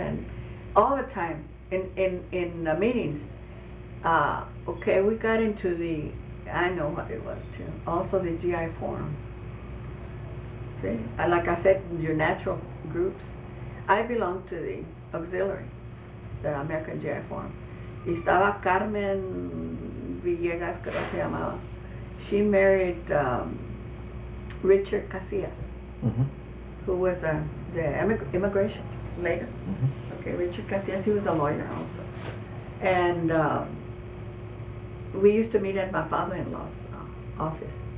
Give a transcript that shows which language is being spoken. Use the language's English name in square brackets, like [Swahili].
[English] And all the time in the meetings, okay, we got into I know what it was too, also the GI forum. See, like I said, your natural groups. I belong to the auxiliary, the American GI forum. [Spanish] Estaba Carmen Villegas, creo que se llamaba. [English] She married Richard Casillas, mm-hmm. who was the immigration later. Mm-hmm. Okay, Richard Casillas, he was a lawyer also. And we used to meet at my father-in-law's office.